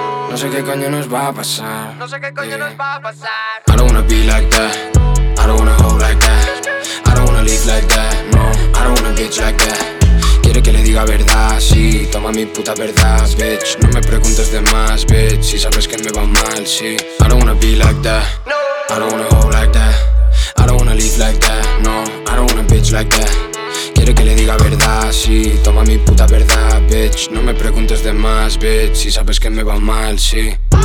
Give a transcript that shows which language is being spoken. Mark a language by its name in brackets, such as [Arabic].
[Spanish] No sé qué coño nos va a pasar. No sé qué coño nos va a pasar. [English] I don't wanna be like that. I don't wanna hoe like that. I don't wanna live like that. No, I don't wanna bitch like that. [Spanish] Quiere que le diga verdad, sí. Toma mi puta verdad, bitch. No me preguntes de más, bitch. Si sabes que me va mal, sí. [English] I don't wanna be like that. No. I don't wanna hoe like that. I don't wanna live like that. No, I don't wanna bitch like that. [Spanish] Quiere que le diga verdad, sí. Toma mi puta verdad, bitch. No me preguntes de más, bitch. Si sabes que me va mal, sí.